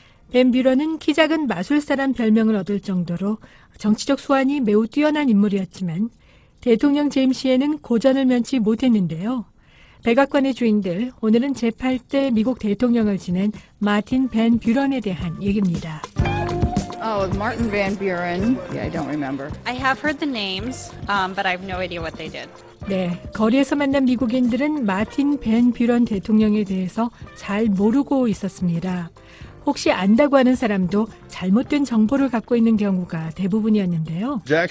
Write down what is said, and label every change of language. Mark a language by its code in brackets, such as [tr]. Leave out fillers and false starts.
[ko] 벤 뷰런은 키 작은 마술사란 별명을 얻을 정도로 정치적 수완이 매우 뛰어난 인물이었지만 대통령 재임 시에는 고전을 면치 못했는데요. 백악관의 주인들, 오늘은 제8대 미국 대통령을 지낸 마틴 벤 뷰런에 대한 얘기입니다. [en] Oh, Martin Van Buren. Yeah, I don't remember. I have heard the names, but I have no idea what they did. [ko] 네, 거리에서 만난 미국인들은 마틴 벤 뷰런 대통령에 대해서 잘 모르고 있었습니다. 혹시 안다고 하는 사람도 잘못된 정보를 갖고 있는 경우가 대부분이었는데요.